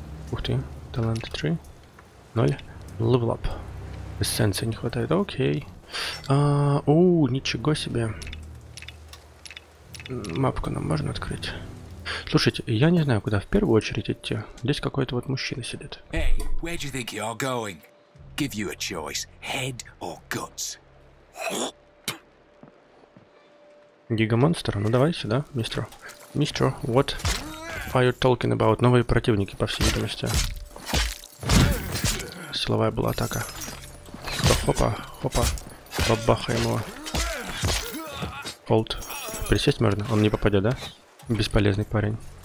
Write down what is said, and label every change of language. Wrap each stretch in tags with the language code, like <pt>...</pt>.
<ru>Ух ты, талант 3. 0.</ru> <en>Level up.</en> <ru>Эссенции не хватает, окей. Ничего себе. Мапку нам можно открыть. Слушайте, я не знаю, куда в первую очередь идти. Здесь какой-то вот мужчина сидит.</ru> <en>Hey, where do you think you're going? Give you a choice. Head or guts?</en> <ru>Гигамонстр, ну давай сюда, мистер. Мистер,</ru> <en>what are you talking about?</en> <ru>Новые противники, по всей видимости. Силовая была атака. Хопа, хопа. Бабахаем его. Холд. Присесть можно? Он не попадет, да? Бесполезный парень.</ru>